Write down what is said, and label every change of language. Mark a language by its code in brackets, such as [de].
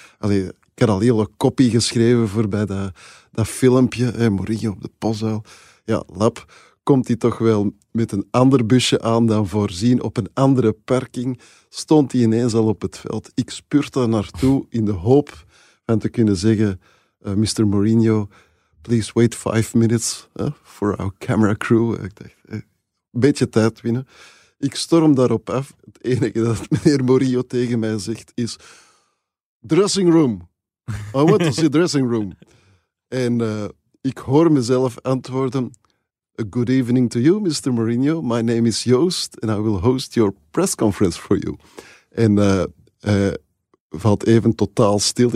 [nl] Allee, ik had al een hele kopie geschreven voor bij dat filmpje. Hey, Mourinho op de Bosuil. Ja, lap. Komt hij toch wel met een ander busje aan dan voorzien op een andere parking? Stond hij ineens al op het veld. Ik spurte naartoe in de hoop van te kunnen zeggen... [en] Mr. Mourinho, please wait 5 minutes for our camera crew. [nl] Ik dacht, een beetje tijd winnen. Ik storm daarop af. Het enige dat meneer Mourinho tegen mij zegt is... [en] Dressing room. I want to see dressing room. [nl] En ik hoor mezelf antwoorden... [en] A good evening to you, Mr. Mourinho. My name is Joost and I will host your press conference for you. [nl] En valt even totaal stil.